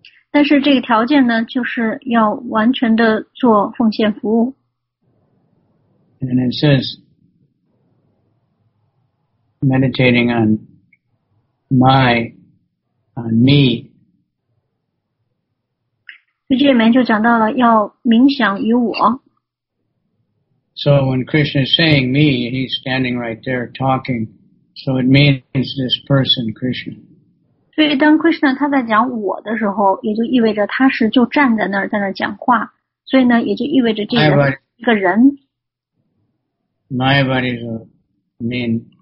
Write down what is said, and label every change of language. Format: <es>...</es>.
<zh>但是这个条件呢, 就是要完全的做奉献服务。</zh> <en>And it says, meditating on my, on me.</en> <zh>这里面就讲到了要冥想于我。</zh> <en>So when Krishna is saying me, he's standing right there talking. So it means this person, Krishna.</en> <zh>所以当Krishna他在讲我的时候，也就意味着他是就站在那儿在那儿讲话。所以呢，也就意味着这个人。</zh> <en>Mayavadi means</en>